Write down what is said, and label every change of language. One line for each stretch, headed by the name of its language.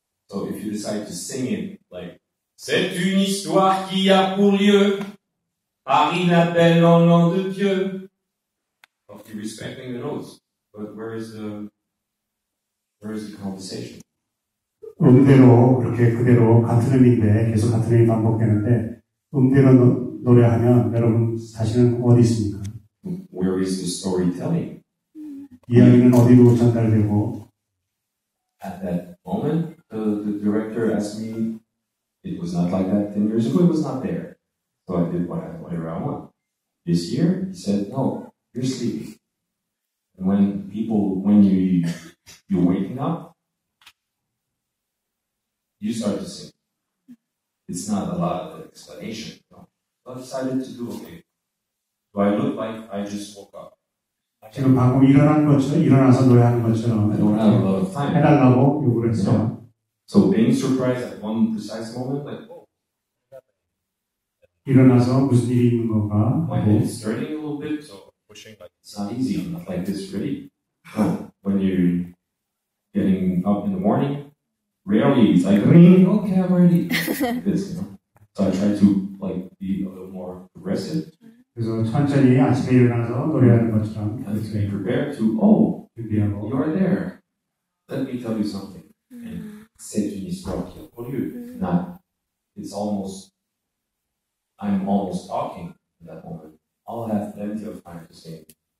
English: So if you decide to sing it, like,
French: c'est une histoire qui a pour lieu, Paris la belle en nom de Dieu.
English: Of you respecting the notes, but where is the conversation?
Korean: 음대로 이렇게 그대로 같은 음인데 계속 같은 음이 반복되는데 음대로 노래하면 여러분 사실은 어디 있습니까?
English: Where is the storytelling?
Korean: 이야기는 어디로 전달되고?
English: At that moment, the director asked me. It was not like that 10 years ago. It was not there. So I did whatever I want. This year, he said, "No, you're sleeping." And when you're waking up, you start to sing. It's not a lot of explanation. No. So I decided to do okay. Do I look like I just woke up?
Korean: 지금 방금 일어난 것처럼 일어나서 노래하는 것처럼 해달라고 요구를 했어요.
English: Yeah. So being surprised at one precise moment, like, oh,
Korean: 일어나서 무슨 일이 있는 건가?
English: My head is turning a little bit, so pushing like it's not easy. I'm not like this really. When you're getting up in the morning, rarely it's like, ring. Okay, I'm ready. This, you know. So I try to like be a little more aggressive.
Korean: 그래서 천천히 아침에 일어나서 노래하는 것처럼
English: and to be prepared to, oh,
Korean: 준비하고.
English: You're there. Let me tell you something.
French: C'est une histoire qui a pour lieu.
English: Now, it's almost, I'm almost talking in that moment. I'll have plenty of time to say it.